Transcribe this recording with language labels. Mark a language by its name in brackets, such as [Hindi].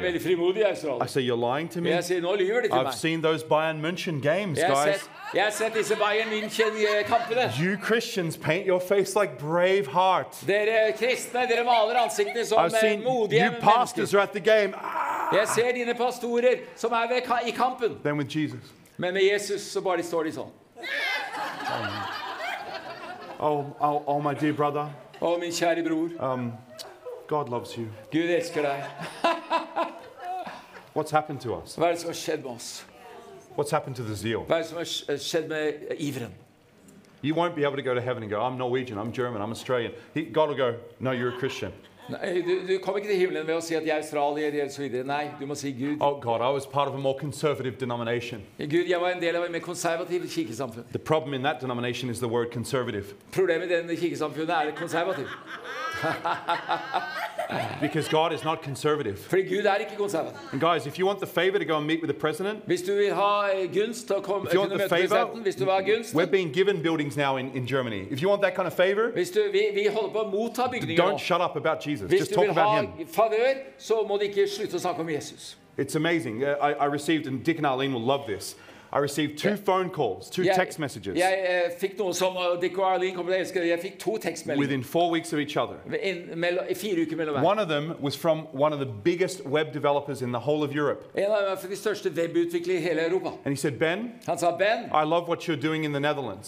[Norwegian] Du veldig frimodig I Australia. [English] I say, you're lying to me. I've seen those Bayern München games, guys. You Christians paint your face like brave heart. I've seen you pastors are at the game. [Norwegian] Jeg ser dine pastorer som I kampen. [English] Then with Jesus. [Norwegian] Men med Jesus så bare står de sånn. [English] Oh, my dear brother. [Norwegian] Oh, min kjære bror. [English] God loves you. [Norwegian] Gud elsker deg. [English] What's happened to us? [Norwegian] Hva som har skjedd med oss? [English] What's happened to the zeal? [Norwegian] Hva som har skjedd med iveren? [English] You won't be able to go to heaven and go, I'm Norwegian, I'm German, I'm Australian. God will go, no, you're a Christian. [Norwegian] Du kommer ikke til himmelen ved å si at jeg australier eller så videre. Nei, du må si Gud. [English] Oh God, I was part of a more conservative denomination. [Norwegian] Gud, jeg var en del av et mer konservativt kirkesamfunn. [English] The problem in that denomination is the word conservative. [Norwegian] Problemet I den kirkesamfunnet konservativ. [English] Because God is not conservative. [Norwegian] For Gud ikke konservativ. [English] And guys, if you want the favor to go and meet with the president, [Norwegian] hvis du vil ha gunst å komme, [English] if you want the favor, [Norwegian] hvis du vil ha gunst, [English] we're being given buildings now in Germany. If you want that kind of favor, [Norwegian] hvis du, vi holder på å motta bygninger, [English] don't shut up about Jesus. Just talk about him. [Norwegian] Hvis du vil ha favor, så må du ikke slutte å snakke om Jesus. [English] It's amazing. I received, and Dick and Arlene will love this. I received two phone calls, two text messages. [Norwegian] Jeg fikk noe som Dick og Arlene kom til å elske. Jeg fikk to tekstmeldinger. [English] Within 4 weeks of each other. [Norwegian] I 4 uker mellom [English] hver. One of them was from one of the biggest web developers in the whole of Europe. [Norwegian] En av dem fra de største webutviklere I hele Europa. [English] And he said, Ben. [Norwegian] Han sa, Ben. [English] I love what you're doing in the Netherlands.